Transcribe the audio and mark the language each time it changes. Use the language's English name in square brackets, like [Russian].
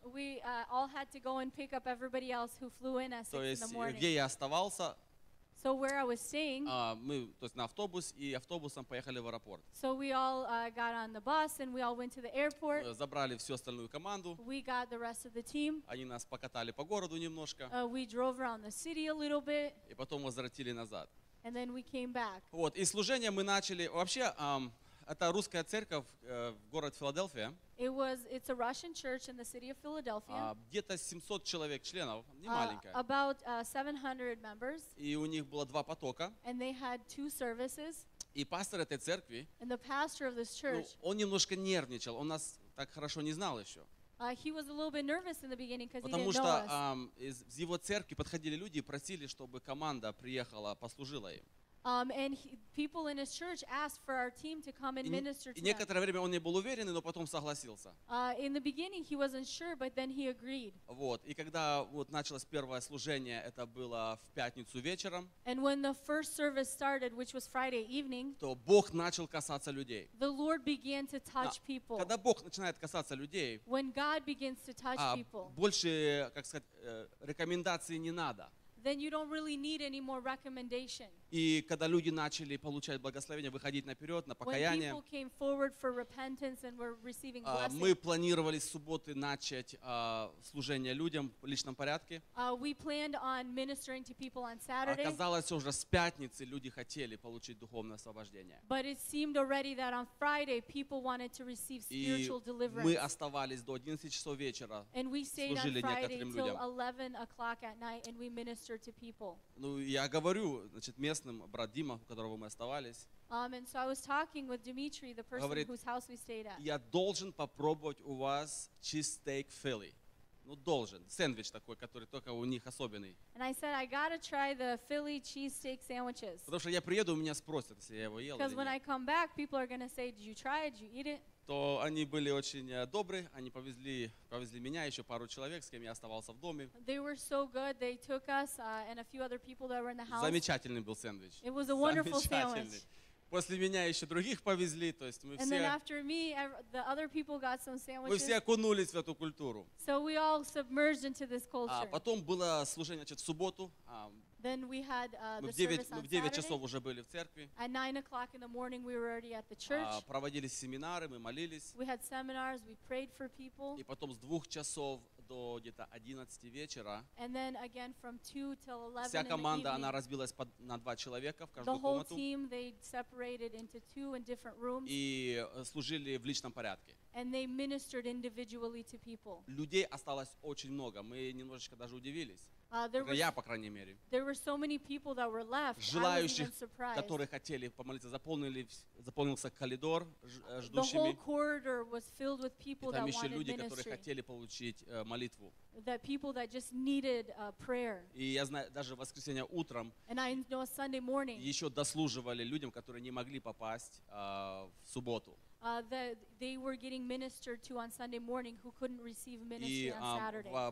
[English] We all had to go and pick up everybody else who flew in at 6 [Russian] то есть, [English] in the morning. [Russian] Где я оставался? [English] So where I was staying, [Russian] мы, то есть, на автобус, и автобусом поехали в аэропорт. [English] So we all got on the bus and we all went to the airport. [Russian] Забрали всю остальную команду. [English] We got the rest of the team. [Russian] Они нас покатали по городу немножко. [English] We drove around the city a little bit. [Russian] И потом возвратили назад. [English] And then we came back. [Russian] Вот, и служение мы начали. Вообще, это русская церковь в городе Филадельфия. [English] It's a Russian church in the city of Philadelphia. [Russian] Где-то 700 человек членов, не маленькая. [English] About 700 members. [Russian] И у них было 2 потока. [English] And they had 2 services. [Russian] И пастор этой церкви. [English] And the pastor of this church. [Russian] Ну, он немножко нервничал. Он нас так хорошо не знал еще. [English] He was a little bit nervous in the beginning because he didn't [Russian] что, [English] know us. [Russian] Из его церкви подходили люди и просили, чтобы команда приехала, послужила им. [English] People in his church asked for our team to come and minister to them. [Russian] Некоторое время он не был уверен, но потом согласился. [English] In the beginning he wasn't sure, but then he agreed. [Russian] Вот, и когда вот началось первое служение, это было в пятницу вечером. [English] And when the first service started, which was Friday evening, [Russian] то Бог начал касаться людей. [English] The Lord began to touch people. [Russian] Когда Бог начинает касаться людей, [English] when God begins to touch people, [Russian] больше, как сказать, рекомендаций не надо. [English] Then you don't really need any more recommendation. [Russian] И когда люди начали получать благословение, выходить наперед на покаяние, [English] when people came forward for repentance and were receiving blessings, [Russian] мы планировали с субботы начать служение людям в личном порядке. [English] We planned on ministering to people on Saturday. [Russian] Оказалось, уже с пятницы люди хотели получить духовное освобождение. [English] But it seemed already that on Friday people wanted to receive spiritual deliverance. [Russian] И мы оставались до 11 часов вечера, [English] and we stayed [Russian] служили [English] on Friday [Russian] некоторым людям. [English] Till 11 o'clock at night and we ministered to people. [Russian] Ну, я говорю, значит, местным, брат Дима, у которого мы оставались, [English] and so I was talking with Dimitri, the person [Russian] говорит, [English] whose house we stayed at. [Russian] Я должен попробовать у вас cheesesteak Philly. Ну, должен. Сэндвич такой, который только у них особенный. [English] And I said, I gotta try the Philly cheesesteak sandwiches. [Russian] Потому что я приеду, у меня спросят, если я его ел. [English] Because when I come back, people are gonna say, did you try it? Did you eat it? [Russian] То они были очень добры, они повезли меня, еще пару человек, с кем я оставался в доме. [English] They were so good, they took us and a few other people that were in the house. [Russian] Замечательный был сэндвич. [English] It was a wonderful sandwich. [Russian] После меня еще других повезли, то есть мы [English] and [Russian] все... [English] And then after me, the other people got some sandwiches. [Russian] Мы все окунулись в эту культуру. [English] So we all submerged into this culture. [Russian] А потом было служение, значит, в субботу. [English] Then we had the service on Saturday. [Russian] Часов уже были в церкви. [English] At 9 o'clock in the morning, we were already at the church. [Russian] Проводились семинары, мы молились. [English] We had seminars, we prayed for people. [Russian] И потом с 2 часов до где-то 11 вечера. [English] And then again from 2 till 11. [Russian] Вся команда, она разбилась на два человека в каждую комнату. [English] The whole team, they separated into two in different rooms. [Russian] И служили в личном порядке. [English] And they ministered individually to people. [Russian] Людей осталось очень много. Мы немножечко даже удивились. Я, по крайней мере. [English] There were so many people that were left. [Russian] Желающих, которые хотели помолиться, заполнился коридор ждущими. [English] The whole corridor was filled with people that wanted ministry. [Russian] Там еще люди, которые хотели получить молитву. [English] The people that just needed prayer. [Russian] И я знаю, даже в воскресенье утром. [English] And I know Sunday morning. [Russian] Еще дослуживали людям, которые не могли попасть в субботу. [English] They were getting ministered to on Sunday morning who couldn't receive ministry on Saturday.